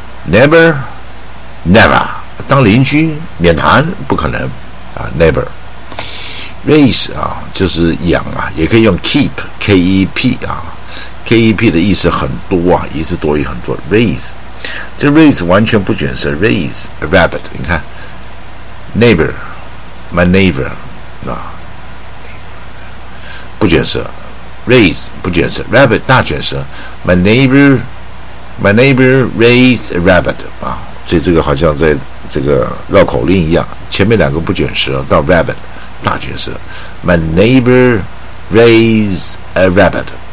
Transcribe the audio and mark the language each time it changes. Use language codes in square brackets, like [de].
[zh] Neighbor never 当邻居免谈，不可能啊。Neighbor。 Raise 啊，就是养啊，也可以用 keep，K-E-P 啊， KEP 的意思很多啊，一字多于很多。Raise， 这 raise 完全不卷舌。 [en] Raise a rabbit， 你看 ，neighbor， my neighbor， 啊，不卷舌。 [zh] Raise 不卷舌 ，rabbit 大卷舌。 [en] My neighbor raised a rabbit [zh] 啊，所以这个好像在这个绕口令一样，前面两个不卷舌到 rabbit 大卷舌。 [en] My neighbor raised a rabbit。